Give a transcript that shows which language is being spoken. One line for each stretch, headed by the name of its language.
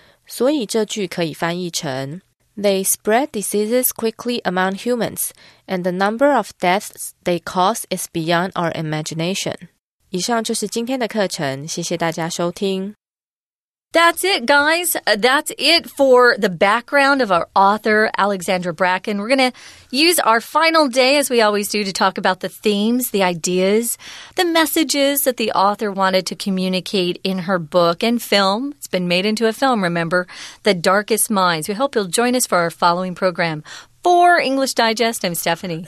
Chinese: 所以这句可以翻译成
English: They spread diseases quickly among humans, and the number of deaths they cause is beyond our imagination.
Chinese: 以上就是今天的课程，谢谢大家收听。
English: That's it, guys. That's it for the background of our author, Alexandra Bracken. We're going to use our final day, as we always do, to talk about the themes, the ideas, the messages that the author wanted to communicate in her book and film. It's been made into a film, remember, The Darkest Minds. We hope you'll join us for our following program. For English Digest, I'm Stephanie.